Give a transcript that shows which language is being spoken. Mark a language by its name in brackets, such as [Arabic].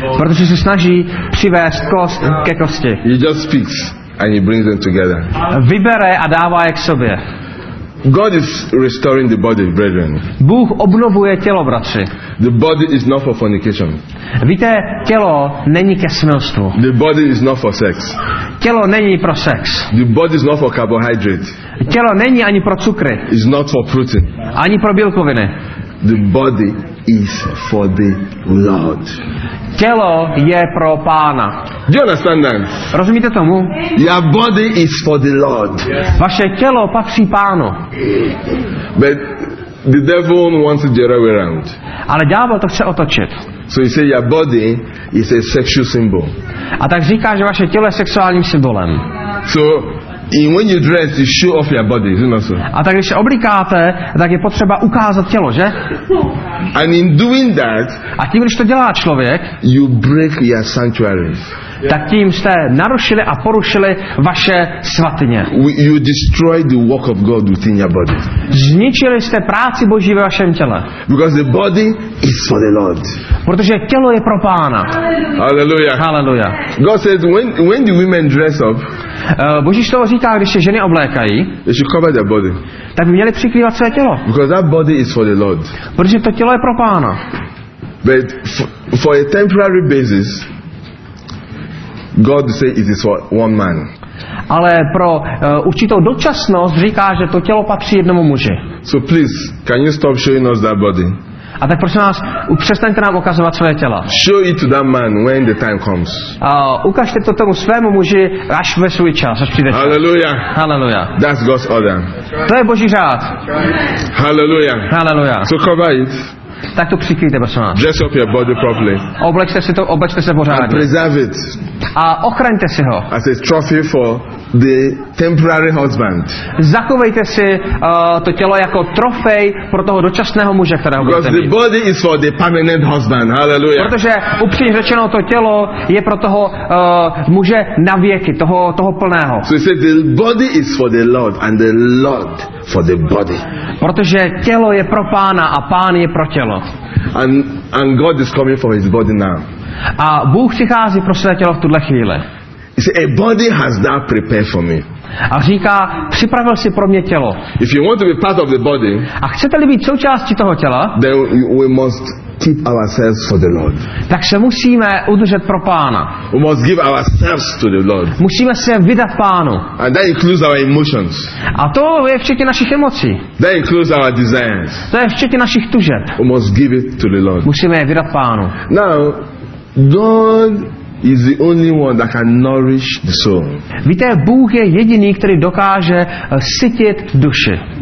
[Czech] Protože se snaží přivést kost ke kosti. [English] He just speaks and he brings them together. [Czech] Vybere a dává je k sobě. [English] God is restoring the body, brethren. [Czech] Bůh obnovuje tělo, bratři. [English] The body is not for fornication. [Czech] Víte, tělo není ke smilstvu. [English] The body is not for sex. [Czech] Tělo není pro sex. [English] The body is not for carbohydrate. [Czech] Tělo není ani pro cukry. [English] It's not for protein. [Czech] Ani pro bílkoviny. [English] The body is for the Lord. [Czech] Tělo je pro Pána. [English] Do you understand that? [Czech] Rozumíte tomu? [English] Your body is for the Lord. [Czech] Vaše tělo patří Pánu. [English] But the devil wants it the other way around. [Czech] Ale ďábel to chce otočit. [English] So he says your body is a sexual symbol. [Czech] A tak říká, že vaše tělo je sexuálním symbolem. [English] So and when you dress, you show off your body, isn't that so? [Czech] A tak když se oblíkáte, tak je potřeba ukázat tělo, že? [English] And in doing that, [Czech] a tím, když to dělá člověk, [English] you break your sanctuary. [Czech] Tak tím jste narušili a porušili vaše svatyně. [English] You destroy the work of God within your body. [Czech] Zničili jste práci Boží ve vašem těle. [English] Because the body is for the Lord. [Czech] Protože tělo je pro Pána. [English] Hallelujah. Hallelujah. God says when do women dress up? [Czech] Boží slovo říká, když se ženy oblékají, [English] they should cover their body. [Czech] Tak by měli přikrývat své tělo. [English] Because that body is for the Lord. [Czech] Protože to tělo je pro Pána. [English] But for a temporary basis, God say it is for one man. [Czech] Ale pro určitou dočasnost říká, že to tělo patří jednomu muži. [English] So please, can you stop showing us that body? [Czech] A tak prosím vás, přestaňte nám ukazovat svoje tělo. [English] Show it to that man when the time comes. [Czech] Ukažte to tomu svému muži, až ve svůj čas, až přijde čas. [English] Hallelujah. Hallelujah. That's God's order. [Czech] To je Boží řád. [English] Hallelujah. Hallelujah. So cover it. [Czech] Tak to přikryjte, prosím vás. [English] Dress up your body properly. [Czech] Oblečte si to, oblečte se pořádně. [English] And preserve it. [Czech] A ochraňte si ho. [English] As a trophy for the temporary husband. [Czech] Zachovejte si to tělo jako trofej pro toho dočasného muže, kterého budete mít. [English] Because the body is for the permanent husband. Hallelujah. [Czech] Protože upřímně řečeno, to tělo je pro toho muže na věky, toho plného. [English] So he said, the body is for the Lord and the Lord for the body. [Czech] Protože tělo je pro Pána a Pán je pro tělo. [English] And God is coming for his body now. [Czech] A Bůh přichází pro své tělo v tuhle chvíli. [English] He said, a body has that prepared for me. [Czech] A říká, připravil si pro mě tělo. [English] If you want to be part of the body, [Czech] a chcete-li být součástí toho těla, [English] then we must keep ourselves for the Lord. [Czech] Tak se musíme udržet pro Pána. [English] We must give ourselves to the Lord. [Czech] Musíme se vydat Pánu. [English] And that includes our emotions. [Czech] A to je včetně našich emocí. [English] That includes our desires. [Czech] To je včetně našich tužeb. [English] We must give it to the Lord. [Czech] Musíme je vydat Pánu. [English] Now, God is the only one that can nourish the soul. [Czech] Víte, Bůh je jediný, který dokáže sytit duši.